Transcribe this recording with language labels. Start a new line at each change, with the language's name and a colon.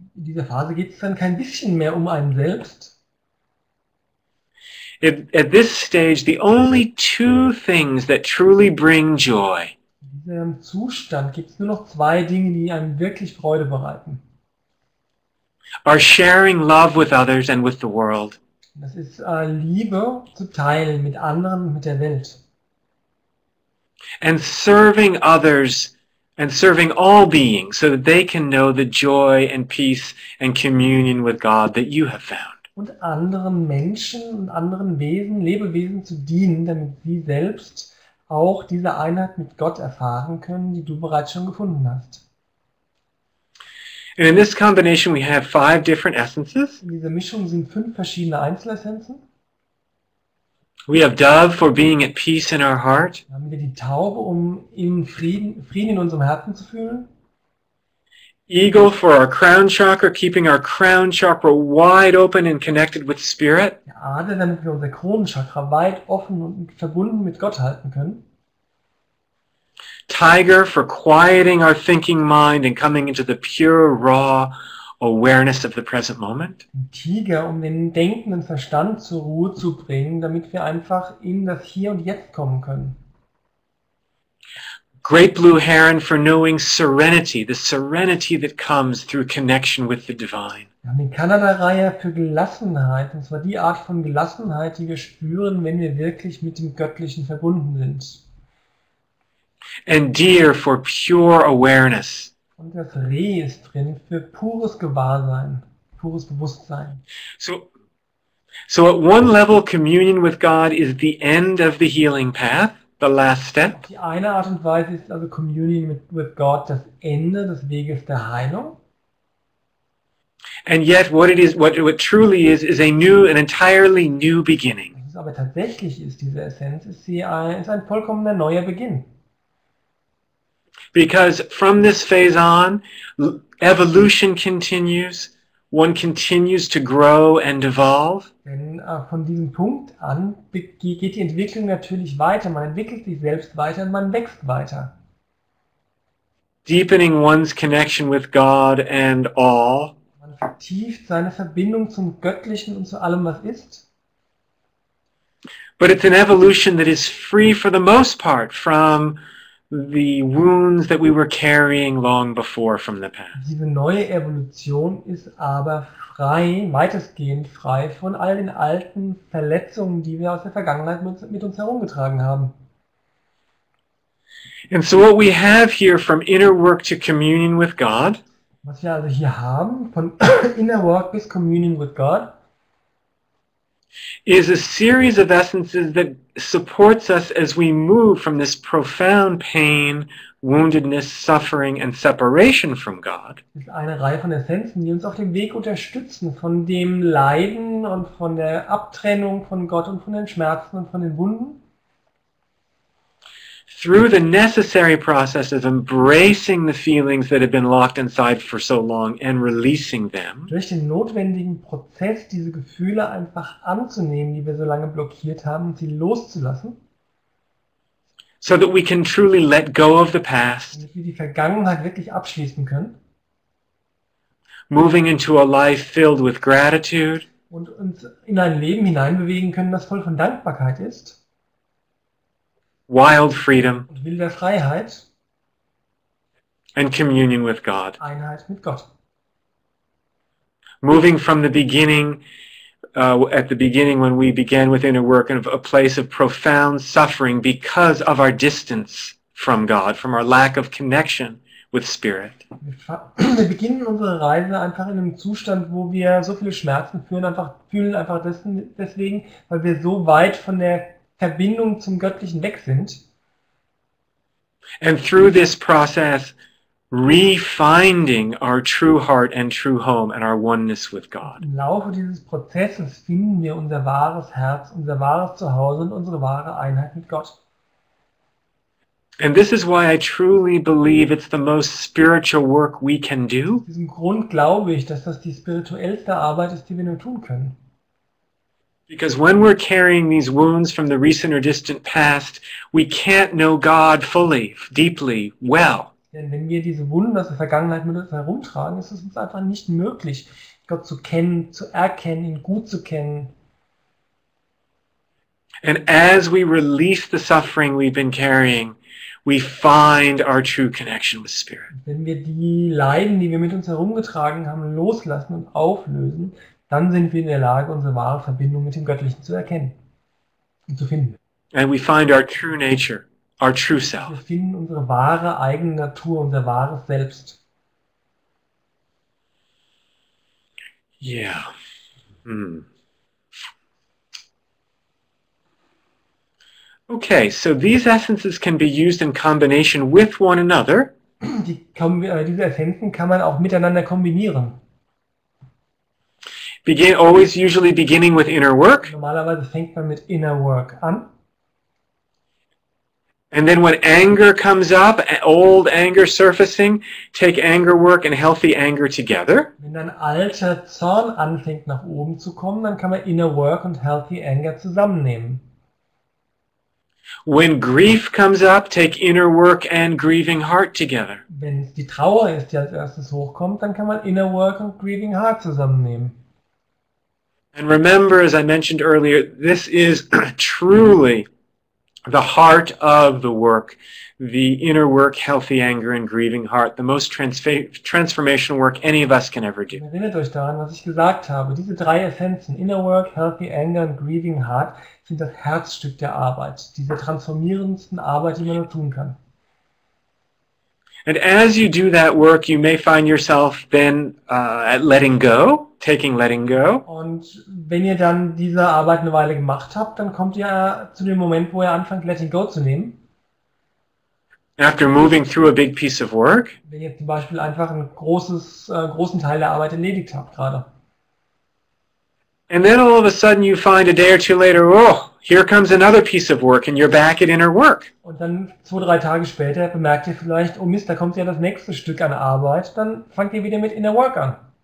German: In dieser Phase geht es dann kein bisschen mehr um einen selbst.
English: At this stage, the only two things that truly bring joy.
German: In diesem Zustand gibt es nur noch zwei Dinge, die einem wirklich Freude bereiten.
English: Are sharing love with others and with the world.
German: Das ist Liebe zu teilen mit anderen und mit der Welt.
English: And serving others and serving all beings so that they can know the joy and peace and communion with God that you have found.
German: Und anderen Menschen und anderen Wesen, Lebewesen zu dienen, damit sie selbst auch diese Einheit mit Gott erfahren können, die du bereits schon gefunden hast.
English: And in this combination we have five different essences.
German: In dieser Mischung sind fünf verschiedene Einzelessenzen.
English: We have dove for being at peace in our heart.
German: Dann haben wir die Taube, um im Frieden in unserem Herzen zu fühlen.
English: Eagle for our crown chakra, keeping our crown chakra wide open and connected with spirit.
German: Der Adler, damit wir unser Kronenchakra weit offen und verbunden mit Gott halten können.
English: Tiger for quieting our thinking mind and coming into the pure, raw awareness of the present moment.
German: Tiger, um den denkenden Verstand zur Ruhe zu bringen, damit wir einfach in das Hier und Jetzt kommen können.
English: Great blue heron for knowing serenity, the serenity that comes through connection with the divine.
German: Wir haben die Kanada-Reihe für Gelassenheit, und zwar die Art von Gelassenheit, die wir spüren, wenn wir wirklich mit dem Göttlichen verbunden sind.
English: And deer for pure awareness.
German: Und das Reh ist drin für pures Gewahrsein, pures Bewusstsein.
English: So at one level, communion with God is the end of the healing path, the last step.
German: Die eine Art und Weise ist also Communion with God das Ende des Weges der Heilung.
English: And yet, what truly is a new, an entirely new beginning.
German: Was es aber tatsächlich ist, diese Essenz, ist ein vollkommener neuer Beginn.
English: Because from this phase on, evolution continues. One continues to grow and evolve.
German: Denn von diesem Punkt an geht die Entwicklung natürlich weiter. Man entwickelt sich selbst weiter und man wächst weiter.
English: Deepening one's connection with God and all.
German: Man vertieft seine Verbindung zum Göttlichen und zu allem, was ist.
English: But it's an evolution that is free for the most part from the wounds that we were carrying long before from the past.
German: Diese neue Evolution ist aber frei, weitestgehend frei von all den alten Verletzungen, die wir aus der Vergangenheit mit uns herumgetragen haben.
English: And so what we have here from inner work to communion with God,
German: was wir also hier haben, von inner work bis communion with God,
English: is a series of essences that supports us as we move from this profound pain, woundedness, suffering and separation from God.
German: Es ist eine Reihe von Essenzen, die uns auf dem Weg unterstützen von dem Leiden und von der Abtrennung von Gott und von den Schmerzen und von den Wunden.
English: Through the necessary process of embracing the feelings that have been locked inside for so long and releasing them.
German: Durch den notwendigen Prozess, diese Gefühle einfach anzunehmen, die wir so lange blockiert haben, und sie loszulassen.
English: So that we can truly let go of the past.
German: Damit wir die Vergangenheit wirklich abschließen können.
English: Moving into a life filled with gratitude.
German: Und uns in ein Leben hineinbewegen können, das voll von Dankbarkeit ist.
English: Wild freedom
German: und wilder Freiheit
English: and communion with God.
German: Einheit mit Gott.
English: Moving from the beginning at the beginning when we began with inner work, of a place of profound suffering because of our distance from God, from our lack of connection with Spirit.
German: Wir beginnen unsere Reise einfach in einem Zustand, wo wir so viele Schmerzen fühlen einfach deswegen, weil wir so weit von der Verbindung zum Göttlichen weg sind.
English: And through this process, refinding our true heart and true home and our oneness with God.
German: Im Laufe dieses Prozesses finden wir unser wahres Herz, unser wahres Zuhause und unsere wahre Einheit mit Gott.
English: And this is why I truly believe it's the most spiritual work we can do.
German: Aus diesem Grund glaube ich, dass das die spirituellste Arbeit ist, die wir nur tun können.
English: Because when we're carrying these wounds from the recent or distant past, we can't know God fully, deeply, well.
German: Denn wenn wir diese Wunden aus der Vergangenheit mit uns herumtragen, ist es uns einfach nicht möglich, Gott zu kennen, zu erkennen, ihn gut zu kennen.
English: And as we release the suffering we've been carrying, we find our true connection with Spirit.
German: Wenn wir die Leiden, die wir mit uns herumgetragen haben, loslassen und auflösen, dann sind wir in der Lage, unsere wahre Verbindung mit dem Göttlichen zu erkennen und zu finden.
English: And we find our true nature, our true self.
German: Wir finden unsere wahre eigene Natur, unser wahres Selbst. Yeah. Hmm.
English: Okay, so these essences can be used in combination with one another.
German: Diese Essenzen kann man auch miteinander kombinieren.
English: Always usually beginning with inner work.
German: Normalerweise fängt man mit inner work an.
English: And then when anger comes up, old anger surfacing, take anger work and healthy anger together.
German: Wenn dann alter Zorn anfängt nach oben zu kommen, dann kann man inner work und healthy anger zusammennehmen.
English: When grief comes up, take inner work and grieving heart together.
German: Wenn es die Trauer ist, die als erstes hochkommt, dann kann man inner work und grieving heart zusammennehmen.
English: And remember, as I mentioned earlier, this is truly the heart of the work, the inner work, healthy anger and grieving heart, the most transformational work any of us can ever do.
German: Erinnert euch daran, was ich gesagt habe. Diese drei Essenzen, inner work, healthy anger and grieving heart, sind das Herzstück der Arbeit, diese transformierendsten Arbeit, die man nur tun kann.
English: And as you do that work, you may find yourself then at letting go, taking letting go.
German: Und wenn ihr dann diese Arbeit eine Weile gemacht habt, dann kommt ihr zu dem Moment, wo ihr anfangt, letting go zu nehmen.
English: After moving through a big piece of work.
German: Wenn ihr zum Beispiel einfach einen großen Teil der Arbeit erledigt habt gerade.
English: And then all of a sudden you find a day or two later, oh, here comes another piece of work and you're back at inner work.
German: Und dann 2-3 Tage später bemerkt ihr vielleicht, oh Mist, da kommt ja das nächste Stück an Arbeit, dann fangt ihr wieder mit inner work an.